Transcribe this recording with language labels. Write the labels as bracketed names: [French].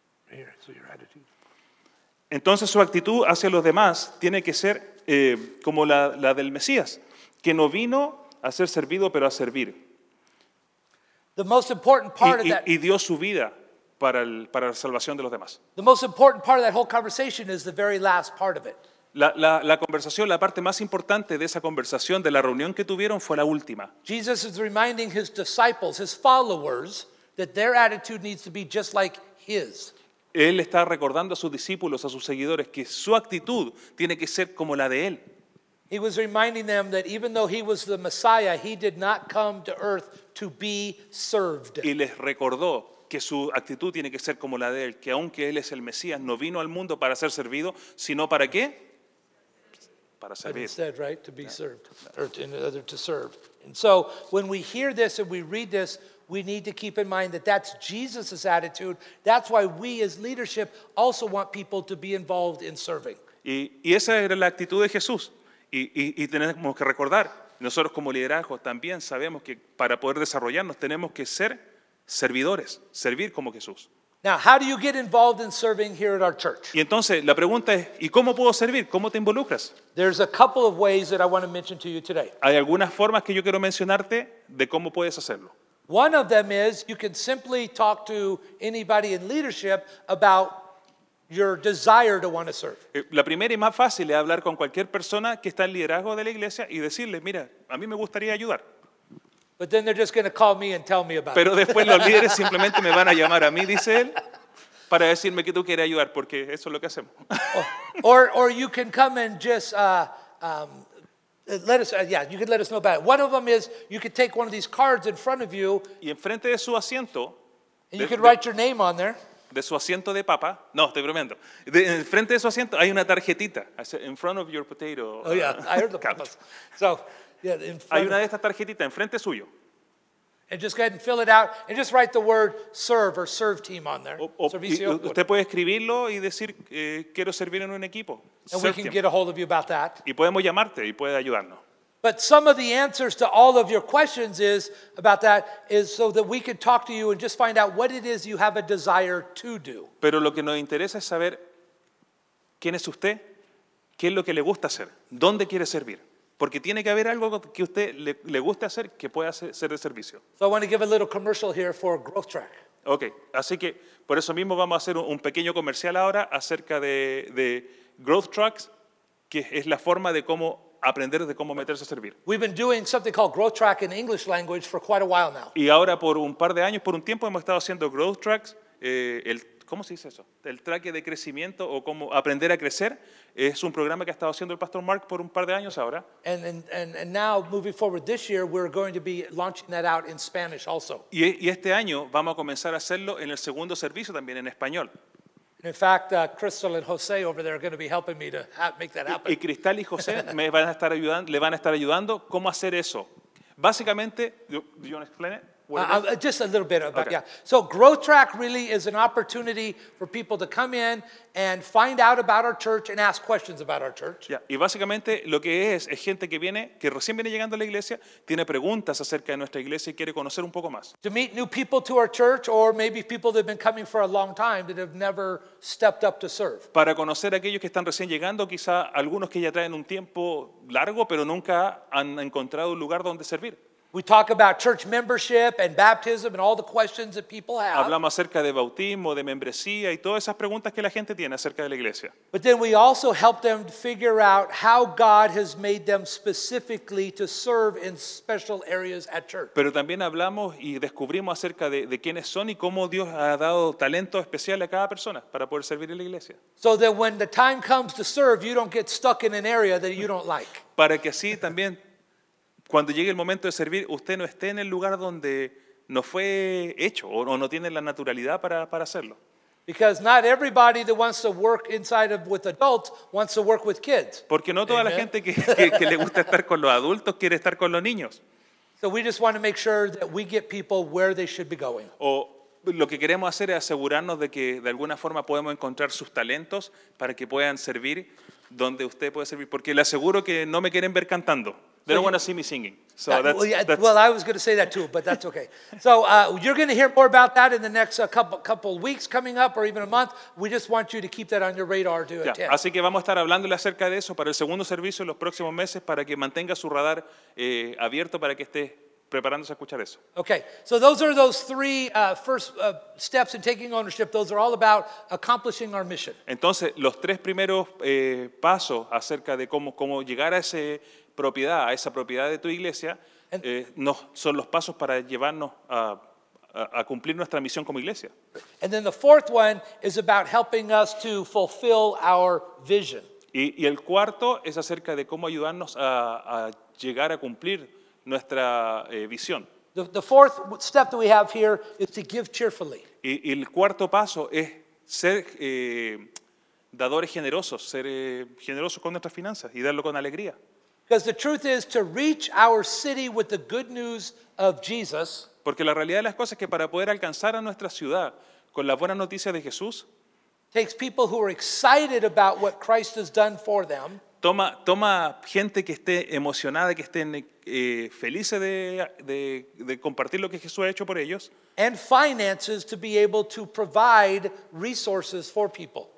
[English] Here, so your attitude. [Spanish] Entonces su actitud hacia los demás tiene que ser como la del Mesías, que no vino a ser servido, pero a servir. [English] The most important part of that, [Spanish] y dio su vida para la salvación de los demás. [English] The most important part of that whole conversation is the very last part of it. [Spanish] La conversación, la parte más importante de esa conversación, de la reunión que tuvieron, fue la última. [English] Jesus is reminding his disciples, his followers, that their attitude needs to be just like his. [Spanish] Él está recordando a sus discípulos, a sus seguidores, que su actitud tiene que ser como la de él. [English] He was reminding them that even though he was the Messiah, he did not come to earth to be served. [Spanish] Y les recordó que su actitud tiene que ser como la de él, que aunque él es el Mesías, no vino al mundo para ser servido, sino ¿para qué? Para servir. [English] Instead, right, to be served, or to serve. And so, when we hear this and we read this, we need to keep in mind that that's Jesus' attitude. That's why we as leadership also want people to be involved in serving. [Spanish] Y esa era la actitud de Jesús. Y tenemos que recordar, nosotros como liderazgo también sabemos que para poder desarrollarnos tenemos que ser servidores, servir como Jesús. [English] Now, how do you get involved in serving here at our church? [Spanish] Y entonces la pregunta es, ¿y cómo puedo servir? ¿Cómo te involucras? [English] There's a couple of ways that I want to mention to you today. [Spanish] Hay algunas formas que yo quiero mencionarte de cómo puedes hacerlo. [English] One of them is you can simply talk to anybody in leadership about your desire to want to serve. [Spanish] La primera y más fácil es hablar con cualquier persona que está en liderazgo de la iglesia y decirle, mira, a mí me gustaría ayudar. [English] But then they're just going to call me and tell me about it. [Spanish] Pero después los líderes simplemente me van a llamar a mí, dice él, para decirme que tú quieres ayudar, porque eso es lo que hacemos. [English] Or you can come and just you can let us know about it. One of them is you could take one of these cards in front of you. [Spanish] Y enfrente de su asiento. [English] And you can write your name on there. [Spanish] De su asiento de papa. No, estoy bromeando. Enfrente de su asiento hay una tarjetita. [English] In front of your potato. Oh yeah, I heard the papas. So. Yeah, [Spanish] hay una de estas tarjetitas enfrente suyo. [English] And just go ahead and fill it out and just write the word serve or serve team on there. [Spanish] Usted puede escribirlo y decir quiero servir en un equipo. [English] And we can get a hold of you about that. [Spanish] Y podemos llamarte y puede ayudarnos. [English] But some of the answers to all of your questions is about that is so that we could talk to you and just find out what it is you have a desire to do. [Spanish] Pero lo que nos interesa es saber quién es usted, qué es lo que le gusta hacer, dónde quiere servir. Porque tiene que haber algo que a usted le guste hacer que pueda ser de servicio. [English] So I want to give a little commercial here for Growth Track. [Spanish] Okay, así que por eso mismo vamos a hacer un pequeño comercial ahora acerca de Growth Tracks, que es la forma de cómo aprender de cómo meterse a servir. [English] We've been doing something called Growth Track in English language for quite a while now. [Spanish] Y ahora por un par de años, por un tiempo hemos estado haciendo Growth Tracks, ¿cómo se dice eso? El traque de crecimiento o cómo aprender a crecer es un programa que ha estado haciendo el Pastor Mark por un par de años ahora. [English] And now, moving forward this year, we're going to be launching that out in Spanish also. [Spanish] Y este año vamos a comenzar a hacerlo en el segundo servicio también en español. [English] And in fact, Crystal and Jose over there are going to be helping me to make that happen. [Spanish] Y Cristal y José me van a estar ayudando, le van a estar ayudando cómo hacer eso. Básicamente, [English] do you want to explain it? Just a little bit about, okay. Yeah. So Growth Track really is an opportunity for people to come in and find out about our church and ask questions about our church. Yeah. [Spanish] Y básicamente lo que es gente que viene, que recién viene llegando a la iglesia, tiene preguntas acerca de nuestra iglesia y quiere conocer un poco más. [English] To meet new people to our church or maybe people that have been coming for a long time that have never stepped up to serve. [Spanish] Para conocer a aquellos que están recién llegando, quizá algunos que ya traen un tiempo largo, pero nunca han encontrado un lugar donde servir. [English] We talk about church membership and baptism and all the questions that people have. [Spanish] Hablamos acerca de bautismo, de membresía y todas esas preguntas que la gente tiene acerca de la iglesia. [English] But then we also help them figure out how God has made them specifically to serve in special areas at church. [Spanish] Pero también hablamos y descubrimos acerca de quiénes son y cómo Dios ha dado talento especial a cada persona para poder servir en la iglesia. [English] So that when the time comes to serve, you don't get stuck in an area that you don't like. [Spanish] Para que así también cuando llegue el momento de servir, usted no esté en el lugar donde no fue hecho o no tiene la naturalidad para hacerlo. [English] Because not everybody that wants to work inside of with adults wants to work with kids. [Spanish] Porque no toda Amen. La gente que le gusta estar con los adultos quiere estar con los niños. [English] So we just want to make sure that we get people where they should be going. [Spanish] O lo que queremos hacer es asegurarnos de que de alguna forma podemos encontrar sus talentos para que puedan servir donde usted puede servir. Porque le aseguro que no me quieren ver cantando. [English] They don't want to see me singing. So that's, well, I was going to say that too, but that's okay. So you're going to hear more about that in the next couple weeks coming up or even a month. We just want you to keep that on your radar to attend. [Spanish] Así que vamos a estar hablándole acerca de eso para el segundo servicio en los próximos meses para que mantenga su radar abierto para que esté preparándose a escuchar eso. [English] Okay, so those are those three first steps in taking ownership. Those are all about accomplishing our mission. [Spanish] Entonces, los tres primeros pasos acerca de cómo llegar a ese propiedad, a esa propiedad de tu iglesia, no, son los pasos para llevarnos a cumplir nuestra misión como iglesia. [English] And then the fourth one is about helping us to fulfill our vision. [Spanish] Y el cuarto es acerca de cómo ayudarnos a llegar a cumplir nuestra visión. [English] The fourth step that we have here is to give cheerfully. [Spanish] Y el cuarto paso es ser dadores generosos, ser generosos con nuestras finanzas y darlo con alegría. [English] Because the truth is to reach our city with the good news of Jesus. [Spanish] Porque la realidad de las cosas es que para poder alcanzar a nuestra ciudad con la buena noticia de Jesús, [English] takes people who are excited about what Christ has done for them. [Spanish] Toma gente que esté emocionada, que estén felices de compartir lo que Jesús ha hecho por ellos. [English] And finances to be able to provide resources for people.